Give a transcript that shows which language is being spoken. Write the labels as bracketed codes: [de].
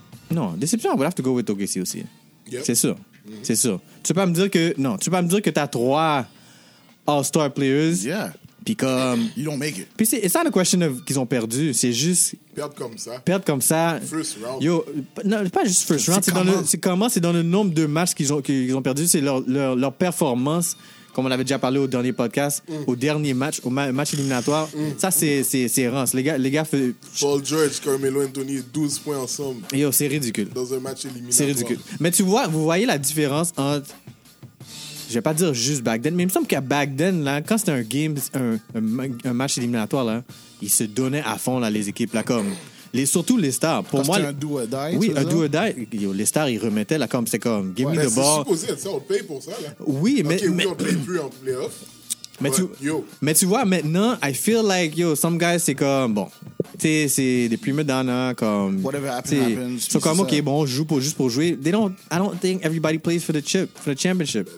[fr] Non, déception, [en] I would have to go with OKC aussi. Yep. [fr] C'est sûr. Mm-hmm. C'est sûr. Tu peux pas me dire que. Non, tu peux pas me dire que t'as trois All-Star players. Yeah. Puis comme. [en] You don't make it. [fr] Puis c'est. [en] It's not a question of [fr] qu'ils ont perdu. C'est juste. Perdre comme ça. First round. Yo. Non, pas juste first round. C'est dans le nombre de matchs qu'ils ont perdu. C'est leur performance. Comme on avait déjà parlé au dernier podcast, au dernier match, au match éliminatoire, ça c'est rance. Les gars fait... Paul George, Carmelo Anthony, 12 points ensemble. Yo, c'est ridicule. Dans un match éliminatoire. C'est ridicule. Mais tu vois, vous voyez la différence entre. Je vais pas dire juste back then, mais il me semble qu'à back then, là, quand c'était un match éliminatoire, là, ils se donnaient à fond là, les équipes. Là, comme... surtout les stars. Pour parce moi, un do or die. Oui, un do or die. Yo, les stars, ils remettaient là, comme c'est comme [en] give me the ball. [fr] C'est supposé être ça, on paye pour ça. Là. Oui, mais. Okay, mais oui, on paye plus en playoff. Mais tu vois, maintenant, [en] I feel like, yo, some guys, [fr] c'est comme, bon, tu sais, c'est des prima donna, comme. [en] Whatever happens. [fr] C'est comme, ok, bon, on joue juste pour jouer. [en] I don't think everybody plays for the championship.